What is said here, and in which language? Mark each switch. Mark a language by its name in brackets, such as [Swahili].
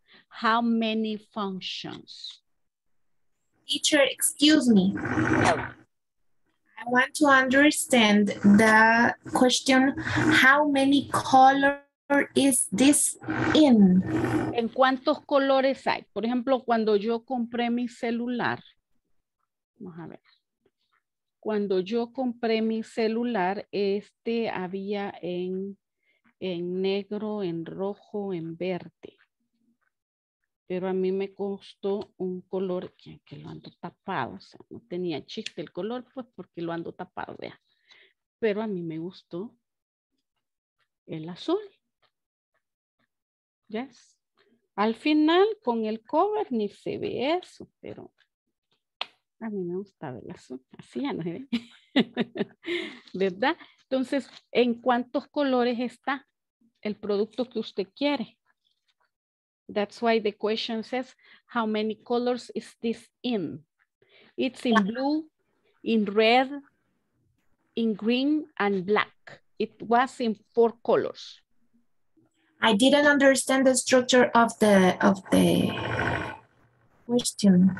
[English] How many functions? Teacher, excuse me. I want to understand the question, how many colors is this in? [Spanish] ¿En cuántos colores hay? Por ejemplo, cuando yo compré mi celular, vamos a ver. Cuando yo compré mi celular, este había en negro, en rojo, en verde. Pero a mí me costó un color que lo ando tapado. O sea, no tenía chiste el color, pues porque lo ando tapado, vea. Pero a mí me gustó el azul. Yes. Al final, con el cover ni se ve eso, pero a mí me gusta ver eso. Así ya no se ve. ¿Verdad? Entonces, ¿en cuántos colores está el producto que usted quiere? [English] That's why the question says, how many colors is this in? It's in blue, in red, in green, and black. It was in four colors. I didn't understand the structure of the question.